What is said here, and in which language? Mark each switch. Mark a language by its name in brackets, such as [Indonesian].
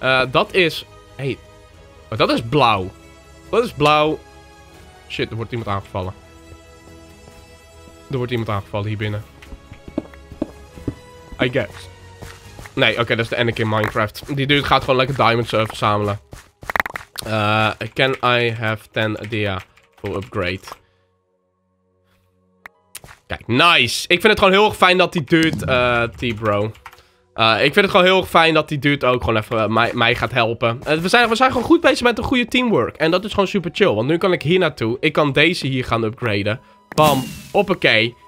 [Dutch] Dat is... Hé. Hey, dat is blauw. Dat is blauw. Shit, er wordt iemand aangevallen. Er wordt iemand aangevallen hier binnen. [English] I guess. [Dutch] Nee, oké, dat is de Anakin Minecraft. Die dude gaat gewoon lekker diamonds verzamelen. [English] Can I have 10 dia for upgrade? [Dutch] Kijk, nice. Ik vind het gewoon heel erg fijn dat die dude... T-bro. Ik vind het gewoon heel erg fijn dat die dude ook gewoon even mij gaat helpen. We zijn gewoon goed bezig met een goede teamwork. En dat is gewoon super chill. Want nu kan ik hier naartoe. Ik kan deze hier gaan upgraden. Bam. Hoppakee.